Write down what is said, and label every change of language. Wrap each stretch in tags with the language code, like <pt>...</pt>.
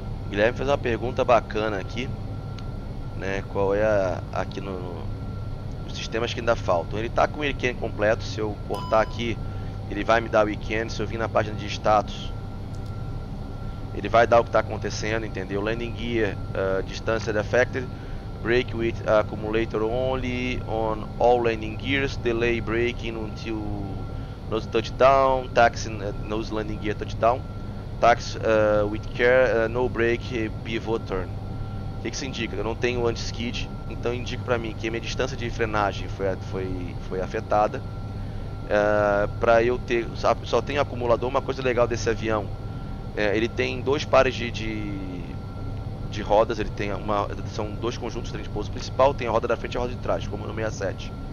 <pt>Guilherme fez uma pergunta bacana aqui, né? Qual é aqui no os sistemas que ainda faltam? Ele está com o Wiki completo. Se eu cortar aqui, ele vai me dar o Wiki. Se eu vir na página de status, ele vai dar o que está acontecendo, entendeu?</pt> <en>Landing gear, distance affected, brake with accumulator only on all landing gears, delay braking until nose touchdown, taxi nose landing gear touchdown. Tax with care, no break, pivot turn.</en> <pt>O que se indica? Eu não tenho anti-skid, então indica para mim que a minha distância de frenagem foi afetada. Para eu ter. Só tem acumulador. Uma coisa legal desse avião: ele tem dois pares de rodas. Ele tem são dois conjuntos de trem de pouso principal. Tem a roda da frente e a roda de trás, como no 67.</pt>